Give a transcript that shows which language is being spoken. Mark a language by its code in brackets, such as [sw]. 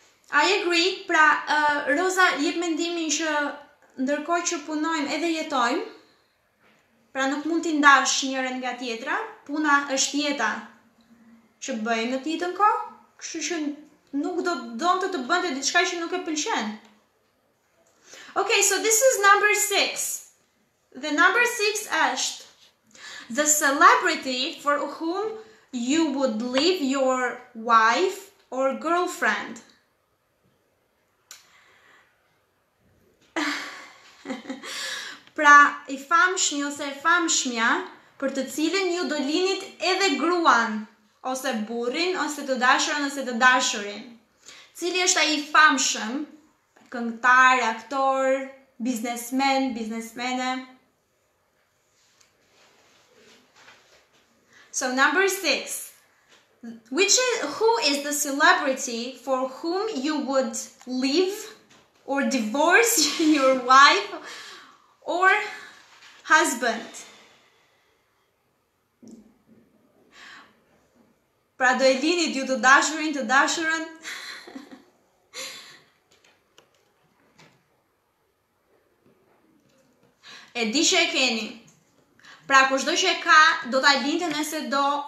[en] I agree, [sq] pra Rosa, jep mendimin që ndërkohë që punojmë edhe jetojmë, pra nuk mund t'i ndash njërën nga tjetra, puna është jeta që bëjmë në t'jitën ko, kështu që nuk do donte të bënte diçka që nuk e pëlqen. [en] Okay, so this is number 6. The number 6 [sq] është [en] the celebrity for whom you would leave your wife or girlfriend. [sq] Pra, i famshmi ose e famshmja për të cilën ju do linit edhe gruan ose burrin, ose të dashurën, ose të dashurin. Cili është ai i famshëm? Këngëtar, aktor, biznesmen, biznesmene. [en] So number 6. Who is the celebrity for whom you would leave or divorce your wife or husband? [sq] Pra do e linit ju të dashurën. E di që e keni. Pra kushdo që e ka, do t'a linte nëse do